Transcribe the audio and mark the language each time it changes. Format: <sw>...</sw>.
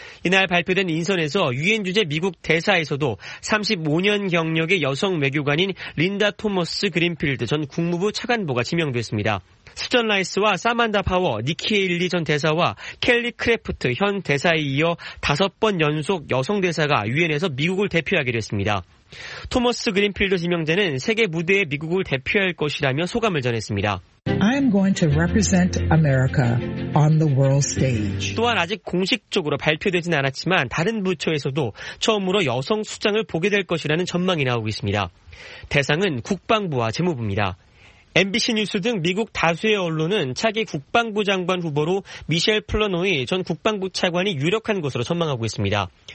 <ko>이날 발표된 인선에서 유엔 주재 미국 대사에서도 35년 경력의 여성 외교관인 린다 토머스 그린필드 전 국무부 차관보가 지명됐습니다. 스전 라이스와 사만다 파워, 니키 에일리 전 대사와 켈리 크래프트 현 대사에 이어 다섯 번 연속 여성 대사가 유엔에서 미국을 대표하게 됐습니다. 토머스 그린필드 지명자는 세계 무대에 미국을 대표할 것이라며 소감을 전했습니다.</ko> <en>I'm going to represent America on the world stage.</en> <ko>또한 아직 공식적으로 발표되진 않았지만 다른 부처에서도 처음으로 여성 수장을 보게 될 것이라는 전망이 나오고 있습니다. 대상은 국방부와 재무부입니다. MBC 뉴스 등 미국 다수의 언론은 차기 국방부 장관 후보로 미셸 플러노이 전 국방부 차관이 유력한 것으로 전망하고 있습니다.</ko>